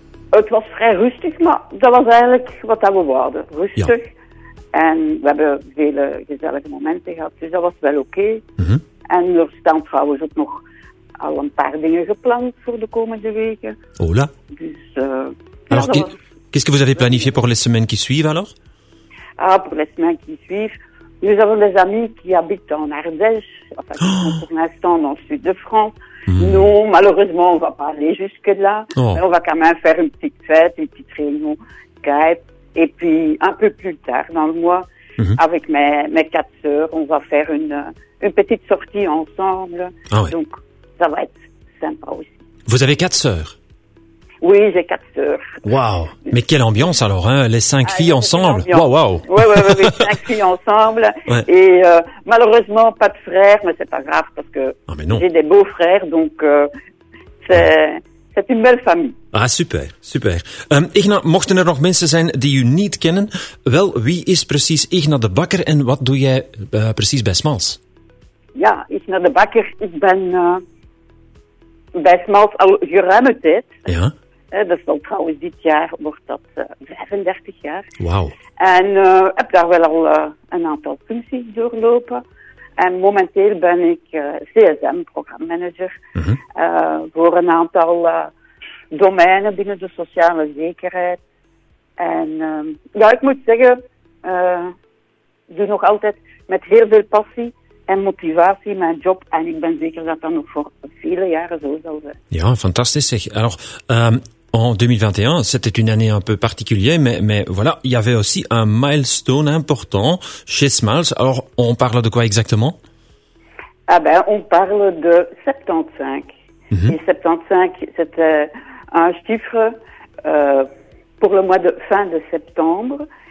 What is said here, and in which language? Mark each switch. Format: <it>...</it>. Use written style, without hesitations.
<nl>Het was vrij rustig, maar dat was eigenlijk wat we wouden. Rustig. Ja. En we hebben vele gezellige momenten gehad, dus dat was wel oké. En er staan trouwens ook nog al een paar dingen gepland voor de komende weken.</nl> <es>Hola.</es> <nl>Dus,</nl> <fr>alors, ja, qu'est-ce que vous avez planifié pour les semaines qui suivent, alors? Ah, pour les semaines qui suivent. Nous avons des amis qui habitent en Ardèche, enfin, qui sont pour l'instant dans le sud de France. Non, malheureusement, on ne va pas aller jusque-là. Oh. Mais on va quand même faire une petite fête, une petite réunion Skype. Et puis, un peu plus tard dans le mois, avec mes quatre sœurs, on va faire une petite sortie ensemble. Ah ouais. Donc, ça va être sympa aussi. Vous avez quatre sœurs? Oui, j'ai quatre sœurs. Waouh! Mais quelle ambiance alors, hein? Les cinq filles ensemble? Waouh, waouh! Oui, oui, oui, cinq filles ensemble. Ouais. Et malheureusement, pas de frères, mais c'est pas grave parce que j'ai des beaux frères, donc c'est une belle famille. Ah, super, super.</fr> <nl>Igna, mochten er nog mensen zijn die u niet kennen, wel, wie is precies Igna de Bakker en wat doe jij precies bij Smals? Ja, Igna de Bakker, ik ben bij Smals al geruime tijd. Ja. Dat is al trouwens, dit jaar wordt dat 35 jaar. Wauw. En heb daar wel al een aantal functies doorlopen. En momenteel ben ik CSM, programmanager, voor een aantal domeinen binnen de sociale zekerheid. En ik moet zeggen, doe nog altijd met heel veel passie en motivatie mijn job. En ik ben zeker dat dat nog voor vele jaren zo zal zijn. Ja, fantastisch zeg.</nl> <fr>Alors, en 2021, c'était une année un peu particulière, mais voilà, il y avait aussi un milestone important chez Smals. Alors, on parle de quoi exactement? Ah ben, on parle de 75. Mm-hmm. Et 75, c'était un chiffre pour le mois de fin de septembre.</fr>